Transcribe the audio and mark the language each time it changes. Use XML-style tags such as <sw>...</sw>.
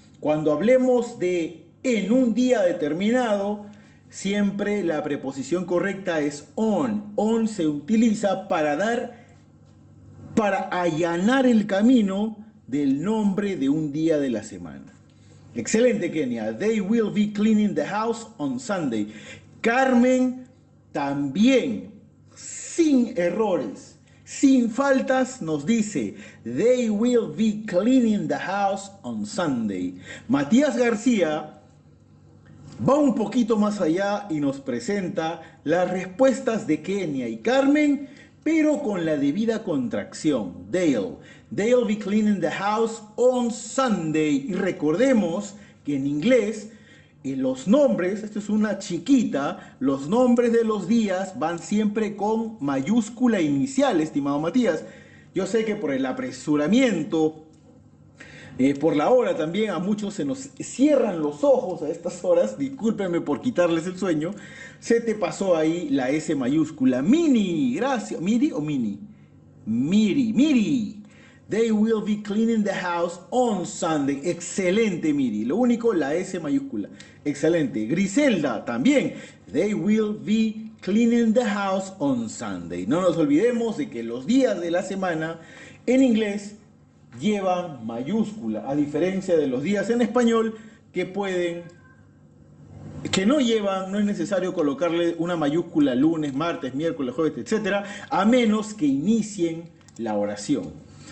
<es>Cuando hablemos de en un día determinado, siempre la preposición correcta es on. On se utiliza para dar, para allanar el camino del nombre de un día de la semana. Excelente, Kenia.</es> <en>They will be cleaning the house on Sunday.</en> <es>Carmen, también, sin errores, sin faltas, nos dice,</es> <en>they will be cleaning the house on Sunday.</en> <es>Matías García va un poquito más allá y nos presenta las respuestas de Kenia y Carmen, pero con la debida contracción.</es> <en>They'll be cleaning the house on Sunday.</en> <es>Y recordemos que en inglés, los nombres, esto es una chiquita, los nombres de los días van siempre con mayúscula inicial, estimado Matías. Yo sé que por el apresuramiento, por la hora también, a muchos se nos cierran los ojos a estas horas, discúlpenme por quitarles el sueño, se te pasó ahí la S mayúscula. Mini, gracias. ¿Miri o Mini? Miri, Miri.</es> <en>They will be cleaning the house on Sunday.</en> <es>Excelente, Miri. Lo único, la S mayúscula. Excelente. Griselda, también.</es> <en>They will be cleaning the house on Sunday.</en> <es>No nos olvidemos de que los días de la semana en inglés llevan mayúscula, a diferencia de los días en español que pueden, que no llevan, no es necesario colocarle una mayúscula lunes, martes, miércoles, jueves, etc., a menos que inicien la oración.</es>